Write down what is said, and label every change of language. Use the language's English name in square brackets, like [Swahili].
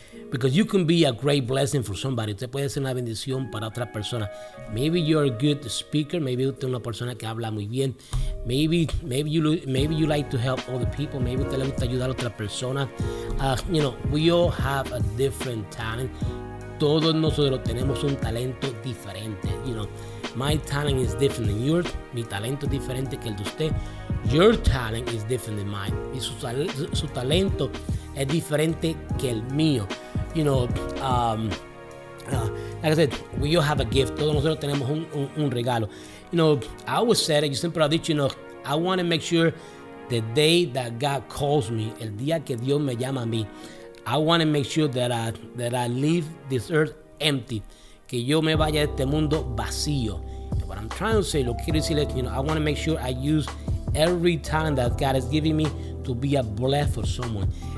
[English] Because you can be a great blessing for somebody. [Spanish] Usted puede ser una bendición para otra persona. [English] Maybe you're a good speaker. [Spanish] Maybe usted es una persona que habla muy bien. [English] Maybe you like to help other people. [Spanish] Maybe usted le gusta ayudar a otra persona. [English] You know, we all have a different talent. [Spanish] Todos nosotros tenemos un talento diferente. [English] You know, my talent is different than yours. [Spanish] Mi talento es diferente que el de usted. [English] Your talent is different than mine. [Spanish] Y su talento es diferente que el mío. [English] You know, like I said, we all have a gift. [Spanish] Todos nosotros tenemos un regalo. [English] You know, I always said it. [Spanish] Yo siempre lo he dicho, [English] you know, I want to make sure the day that God calls me, [Spanish] el día que Dios me llama a mí, [English] I want to make sure that I leave this earth empty. [Spanish] Que yo me vaya de este mundo vacío. [English] What I'm trying to say, [Spanish] lo que quiero decir es, [English] you know, I want to make sure I use every talent that God has given me to be a blessing for someone.